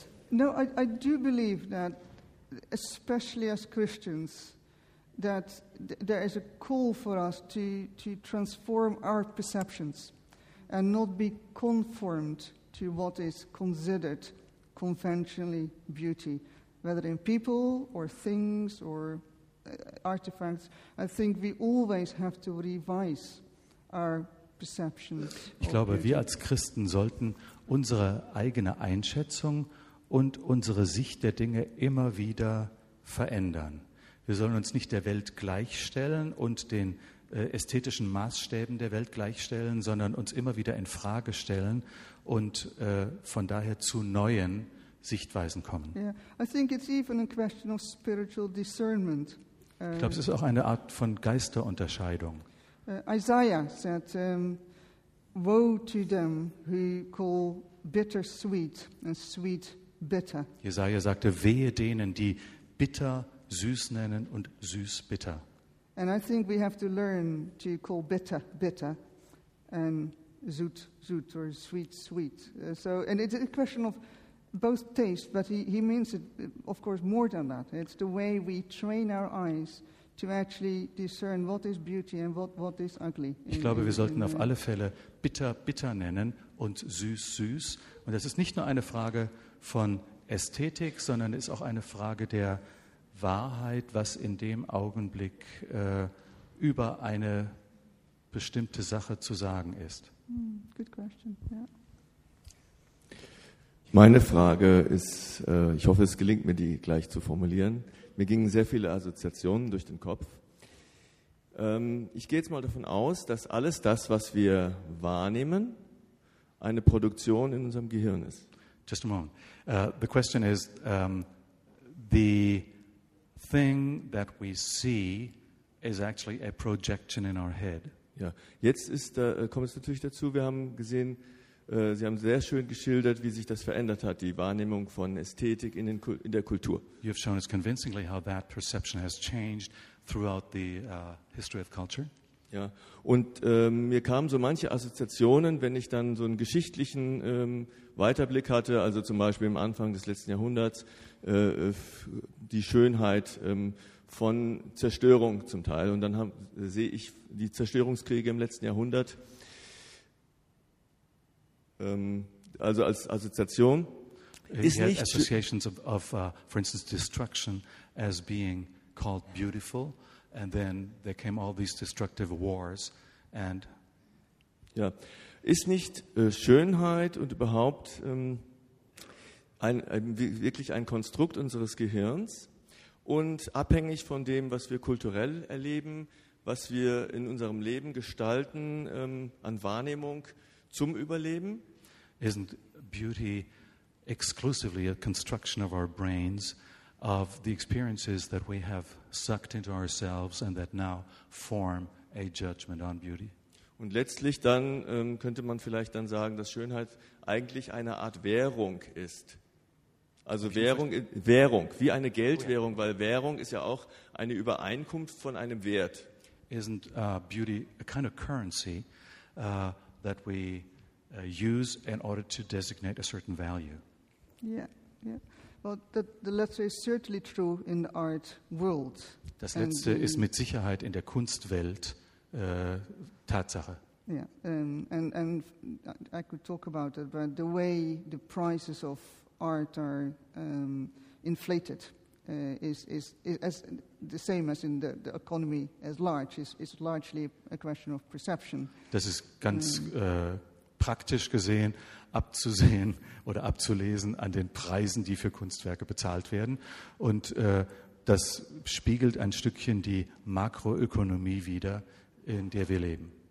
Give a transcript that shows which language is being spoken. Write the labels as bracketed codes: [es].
[en] No, I do believe that, especially as Christians, that there is a call for us to transform our perceptions and not be conformed to what is considered conventionally beauty, whether in people or things or artifacts. I think we always have to revise our perceptions. [de] Ich glaube, wir als Christen sollten unsere eigene Einschätzung und unsere Sicht der Dinge immer wieder verändern. Wir sollen uns nicht der Welt gleichstellen und den ästhetischen Maßstäben der Welt gleichstellen, sondern uns immer wieder in Frage stellen und von daher zu neuen Sichtweisen kommen. [en] Yeah. I think it's even a question of spiritual discernment. [de] Ich glaube, es ist auch eine Art von Geisterunterscheidung. [en] Isaiah said, woe to them who call bitter sweet and sweet bitter. [de] Jesaja sagte, wehe denen, die bitter süß nennen und süß bitter. [en] And I think we have to learn to call bitter bitter and [de] süß süß [en] or sweet sweet. So, and it's a question of both taste, but he means it, of course, more than that. It's the way we train our eyes to actually discern what is beauty and what is ugly. [de] Ich glaube, wir sollten auf alle Fälle bitter bitter nennen und süß süß. Und das ist nicht nur eine Frage von Ästhetik, sondern ist auch eine Frage der Wahrheit, was in dem Augenblick über eine bestimmte Sache zu sagen ist. [en] Good question. Yeah. [de] Meine Frage ist, ich hoffe, es gelingt mir, die gleich zu formulieren. Mir gingen sehr viele Assoziationen durch den Kopf. Ich gehe jetzt mal davon aus, dass alles das, was wir wahrnehmen, eine Produktion in unserem Gehirn ist. [en] Just a moment. The question is, the thing that we see is actually a projection in our head. [de] Ja, jetzt ist da, kommt es natürlich dazu, wir haben gesehen, Sie haben sehr schön geschildert, wie sich das verändert hat, die Wahrnehmung von Ästhetik in der Kultur. [en] You have shown us convincingly how that perception has changed throughout the history of culture. [de] Ja, und mir kamen so manche Assoziationen, wenn ich dann so einen geschichtlichen Weiterblick hatte, also zum Beispiel im Anfang des letzten Jahrhunderts, die Schönheit von Zerstörung zum Teil. Und dann sehe ich die Zerstörungskriege im letzten Jahrhundert, also als Assoziation ist nicht [en] associations of for instance destruction as being called beautiful, and then there came all these destructive wars and [de] ja, ist nicht Schönheit und überhaupt wirklich ein Konstrukt unseres Gehirns und abhängig von dem, was wir kulturell erleben, was wir in unserem Leben gestalten an Wahrnehmung zum Überleben. [en] Isn't beauty exclusively a construction of our brains, of the experiences that we have sucked into ourselves and that now form a judgment on beauty? [de] Und letztlich dann könnte man vielleicht dann sagen, dass Schönheit eigentlich eine Art Währung ist. Also Währung, wie eine Geldwährung, weil Währung ist ja auch eine Übereinkunft von einem Wert. [en] Isn't beauty a kind of currency that we use in order to designate a certain value? Yeah. Well, the latter is certainly true in the art world. [de] Das letzte ist mit Sicherheit in der Kunstwelt Tatsache. [en] Yeah, and I could talk about it, but the way the prices of art are inflated is as the same as in the economy as large is largely a question of perception. [de] Das ist ganz praktisch gesehen abzusehen oder abzulesen an den Preisen, die für Kunstwerke bezahlt werden. Und das spiegelt ein Stückchen die Makroökonomie wider, in der wir leben.